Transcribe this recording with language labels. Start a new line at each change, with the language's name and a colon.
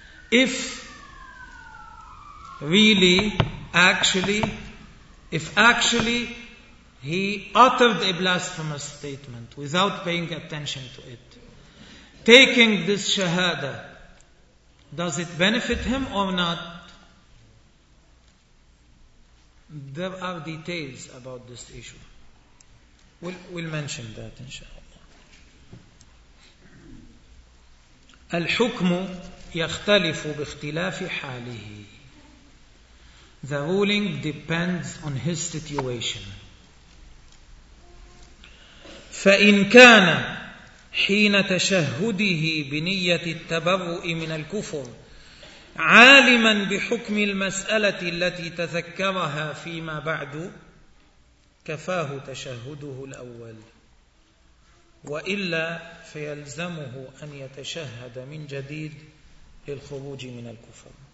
English: If really, actually, if actually he uttered a blasphemous statement without paying attention to it, taking this shahada, does it benefit him or not? There are details about this issue. We'll mention that, inshallah.
Arabic: الحكم يختلف باختلاف حاله.
English: The ruling depends on his situation.
Arabic: فإن كان حين تشهده بنية التبرؤ من الكفر عالما بحكم المسألة التي تذكرها فيما بعد كفاه تشهده الأول، وإلا فيلزمه أن يتشهد من جديد للخروج من الكفر.